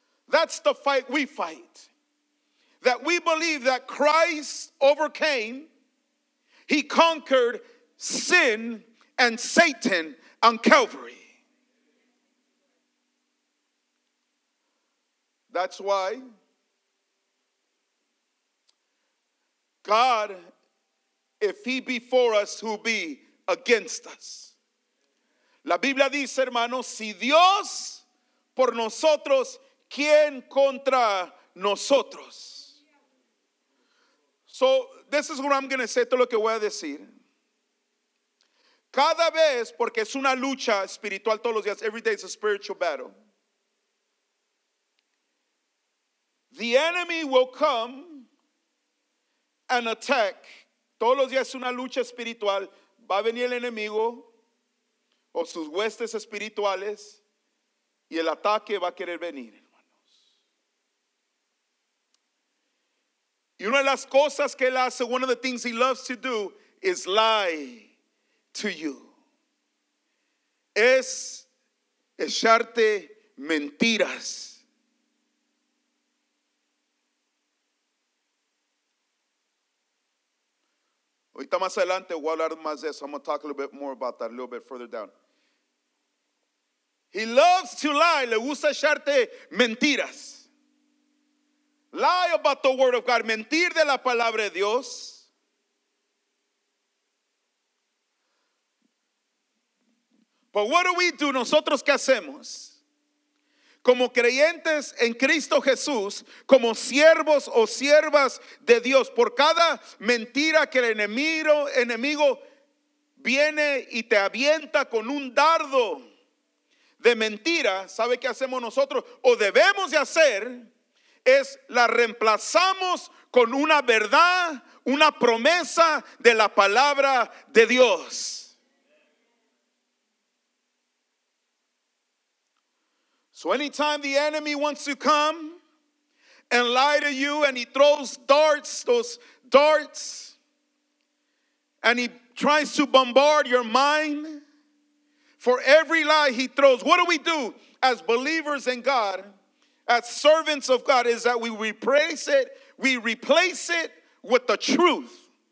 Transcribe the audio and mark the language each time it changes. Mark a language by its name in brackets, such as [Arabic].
[English] That's the fight we fight. That we believe that Christ overcame, he conquered sin and Satan on Calvary. That's why God, if he be for us, who be against us? [Spanish] La Biblia dice, hermanos, si Dios por nosotros, ¿quién contra nosotros? [English] So, this is what I'm going to say, [Spanish] esto es lo que voy a decir. Cada vez, porque es una lucha espiritual todos los días, [English] every day is a spiritual battle. The enemy will come an attack. [Spanish] Todos los días es una lucha espiritual. Va a venir el enemigo o sus huestes espirituales y el ataque va a querer venir, hermanos. Y una de las cosas que él hace, [English] one of the things he loves to do, is lie to you. [Spanish] Es echarte mentiras. Ahorita más adelante voy a hablar más de eso. [English] I'm going to talk a little bit more about that a little bit further down. He loves to lie. [Spanish] Le gusta echarte mentiras. [English] Lie about the word of God. [Spanish] Mentir de la palabra de Dios. [English] But what do we do? [Spanish] ¿Nosotros qué hacemos? Como creyentes en Cristo Jesús, como siervos o siervas de Dios, por cada mentira que el enemigo viene y te avienta con un dardo de mentira, ¿sabe qué hacemos nosotros? O debemos de hacer, es la reemplazamos con una verdad, una promesa de la palabra de Dios. [English] So anytime the enemy wants to come and lie to you and he throws darts, those darts, and he tries to bombard your mind, for every lie he throws, what do we do as believers in God, as servants of God, is that we replace it with the truth.